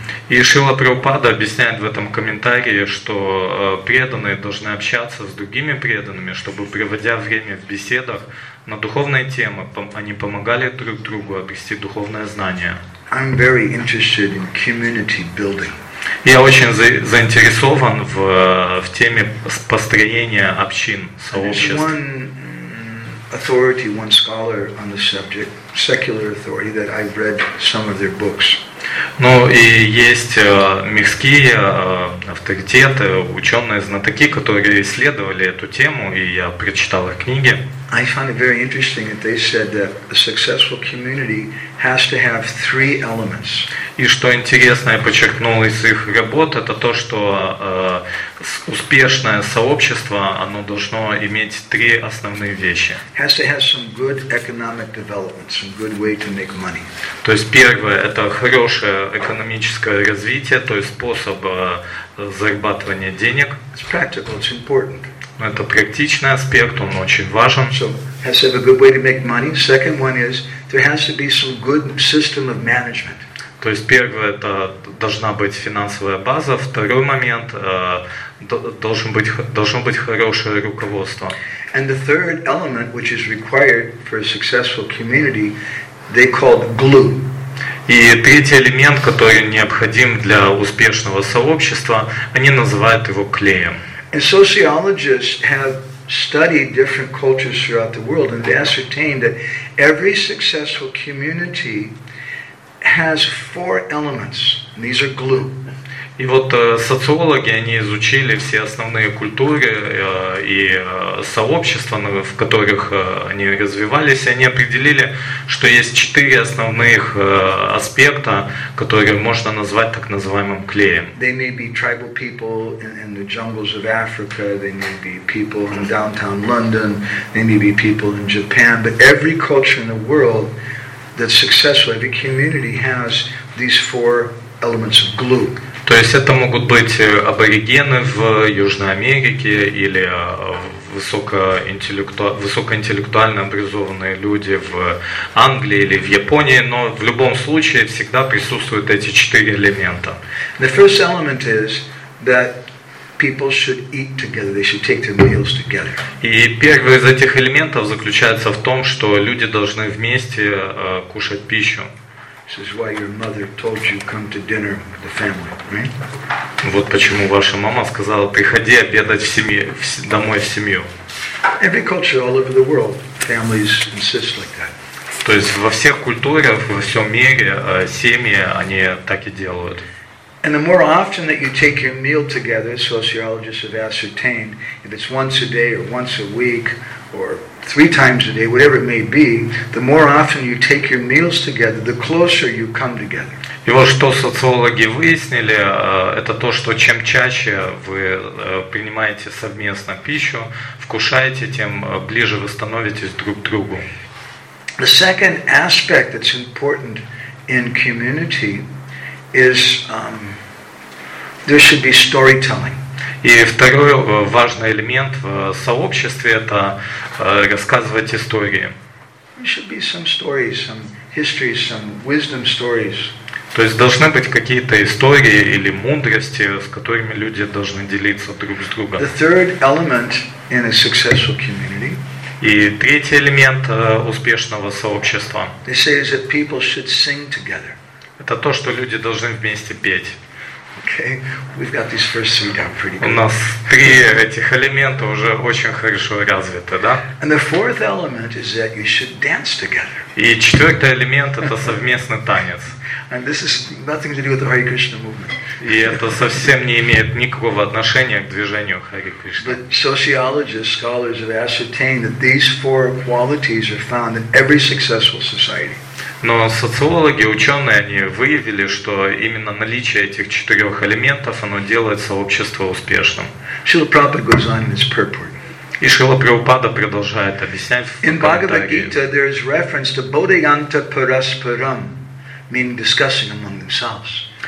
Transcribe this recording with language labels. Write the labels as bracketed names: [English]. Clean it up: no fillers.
[Russian] И Шрила Прабхупада объясняет в этом комментарии, что преданные должны общаться с другими преданными, чтобы, проводя время в беседах на духовные темы, они помогали друг другу обрести духовное знание. [English] I'm very interested in community building. [Russian] Я очень заинтересован в теме построения общин, сообществ. [English] One authority, one scholar on the subject, secular authority, that I've read some of their books. [Russian] Ну и есть мирские авторитеты, ученые, знатоки, которые исследовали эту тему, и я прочитал их книги. [English] I found it very interesting that they said that a successful community has to have three elements. [Russian] И что интересно, я подчеркнул из их работ, это то, что успешное сообщество, оно должно иметь три основные вещи. [English] Has to have some good economic development, some good way to make money. [Russian] То есть первое, это хорошее экономическое развитие, то есть способ зарабатывания денег. [English] It's practical, it's important. [Russian] Но это практичный аспект, он очень важен. [English] So, has to have a good way to make money. Second one is there has to be some good system of management. [Russian] То есть первое, это должна быть финансовая база. Второй момент, должно быть хорошее руководство. [English] And the third element, which is required for a successful community, they call glue. [Russian] И третий элемент, который необходим для успешного сообщества, они называют его клеем. [English] And sociologists have studied different cultures throughout the world, and they ascertained that every successful community has four elements. And these are glue. [Russian] И вот социологи, они изучили все основные культуры и сообщества, в которых они развивались, и они определили, что есть четыре основных аспекта, которые можно назвать так называемым клеем. [English] They may be tribal people in the jungles of Africa, they may be people in downtown London, they may be people in Japan, but every culture in the world that's successful, every community has these four elements of glue. [Russian] То есть это могут быть аборигены в Южной Америке или высокоинтеллектуально образованные люди в Англии или в Японии, но в любом случае всегда присутствуют эти четыре элемента. [English] The first element is that people should eat together, they should take their meals together. [Russian] И первый из этих элементов заключается в том, что люди должны вместе кушать пищу. [English] This is why your mother told you come to dinner with the family, right? [Russian] Вот почему ваша мама сказала приходи обедать в семье, домой в семью. [English] Every culture all over the world, families insist like that. [Russian] То есть во всех культурах во всем мире семьи они так и делают. [English] And the more often that you take your meal together, sociologists have ascertained, if it's once a day or once a week or three times a day, whatever it may be, the more often you take your meals together, the closer you come together. [Russian] И вот что социологи выяснили, это то, что чем чаще вы принимаете совместно пищу, вкушаете, тем ближе вы становитесь друг к другу. [English] The second aspect that's important in community is there should be storytelling. [Russian] И второй важный элемент в сообществе – это рассказывать истории. [English] There should be some stories, some history, some wisdom stories. [Russian] То есть должны быть какие-то истории или мудрости, с которыми люди должны делиться друг с другом. [English] The third element in a successful community. [Russian] И третий элемент успешного сообщества. [English] They say that people should sing together. [Russian] Это то, что люди должны вместе петь. [English] Okay, we've got these first three down pretty good. [Russian] У нас три этих элемента уже очень хорошо развиты, да? [English] And the fourth element is that you should dance together. [Russian] И четвертый элемент это совместный танец. [English] And this is nothing to do with the Hare Krishna movement. [Russian] И это совсем не имеет никакого отношения к движению Hare Krishna. [English] But sociologists, scholars have ascertained that these four qualities are found in every successful society. [Russian] Но социологи, ученые, они выявили, что именно наличие этих четырех элементов, оно делает сообщество успешным. [English] Шрила Прабхупада goes on in his purport. [Russian] И Шрила Прабхупада продолжает объяснять в комментарии. [English] In Bhagavad Gita there is reference to bodhayanta paraspuram, meaning discussing among themselves.